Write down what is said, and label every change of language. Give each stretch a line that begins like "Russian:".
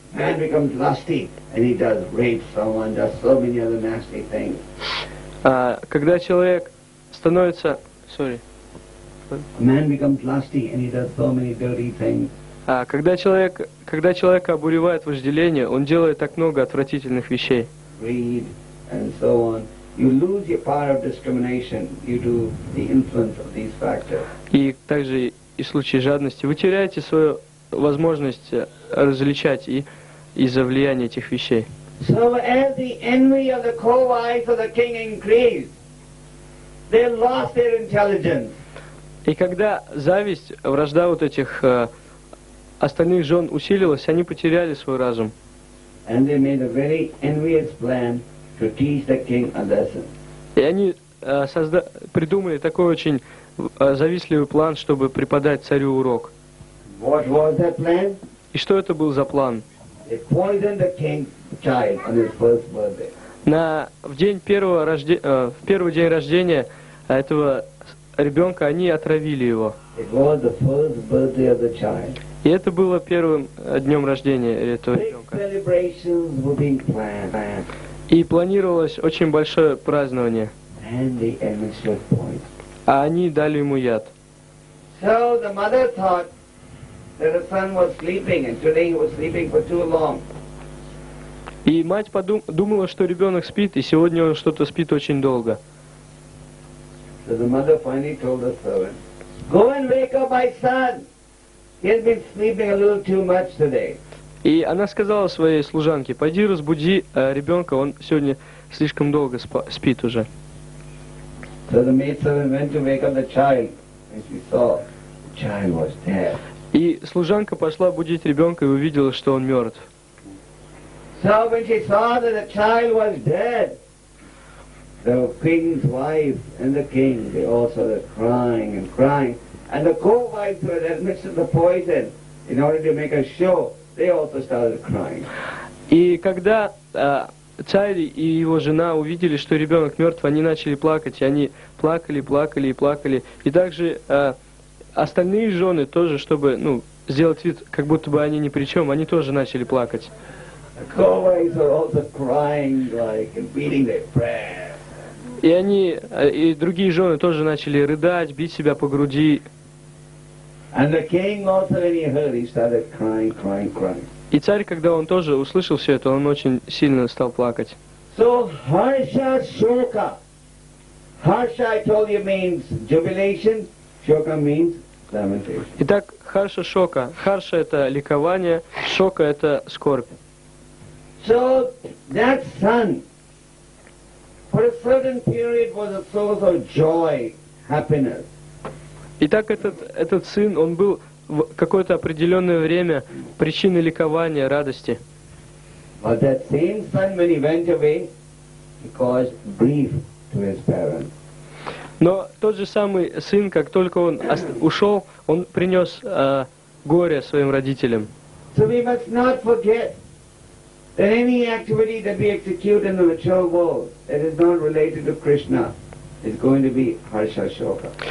English: Man becomes lusty and he does rape someone, does so many other nasty things.
Russian: Когда человек становится, когда человека обуревает вожделение, он делает так много отвратительных вещей.
English: Greed and so on. You lose your power of discrimination due to the influence of these factors.
Russian: И также и в случае жадности вы теряете свою возможность различать и из-за влияния этих вещей.
English: So as the envy of the co-wives of the king increased, they lost their intelligence.
Russian: И когда зависть, вражда вот этих остальных жен усилилось, они потеряли свой разум.
English: And they made a very envious plan to teach the king a lesson.
Russian: И они придумали такой очень завистливый план, чтобы преподать царю урок.
English: What was that plan?
Russian: И что это был за план?
English: They poisoned the king's child on his first birthday.
Russian: В первый день рождения этого ребенка они отравили его.
English: It was the first birthday of the child.
Russian: И это было первым днем рождения этого ребенка.
English: Big celebrations were being planned.
Russian: И планировалось очень большое празднование.
English: And they administered poison.
Russian: А они дали ему яд.
English: So the mother thought that her son was sleeping, and today he was sleeping for too long.
Russian: И мать думала, что ребенок спит, и сегодня он что-то спит очень долго.
English: So the mother finally told the servant, "Go and wake up my son. He's been sleeping a little too much today."
Russian: И она сказала своей служанке: "Пойди разбуди ребенка, он сегодня слишком долго спит уже."
English: So the maidservant went to wake up the child, and she saw the child was dead.
Russian: И служанка пошла будить ребенка и увидела, что он мертв.
English: So when she saw that the child was dead, the king's wife and the king, they all started crying and crying. And the co-wives who had administered the poison in order to make a show, they also started crying.
Russian: И когда царь и его жена увидели, что ребенок мертв, они начали плакать, и они плакали. И также остальные жены тоже, чтобы сделать вид, как будто бы они ни при чем, они тоже начали плакать.
English: The co-wives are also crying like and beating their breasts.
Russian: И они, и другие жены тоже начали рыдать, бить себя по груди.
English: And the king also, when he heard, he started crying.
Russian: И царь, когда он тоже услышал все это, он очень сильно стал плакать.
English: So harsha shoka. Harsha, I told you, means jubilation. Shoka means lamentation.
Russian: Итак, harsha shoka. Harsha — это ликование, shoka — это скорбь.
English: So that son, for a certain period, was a source of joy, happiness.
Russian: Итак, этот сын, он был в какое-то определенное время причиной ликования, радости.
English: But that same son, when he went away, he caused grief to his parents.
Russian: Но тот же самый сын, как только он ушел, он принес горе своим родителям.
English: So we must not forget. That any activity that we execute in the material world that is not related to Krishna is going to be harsha shoka.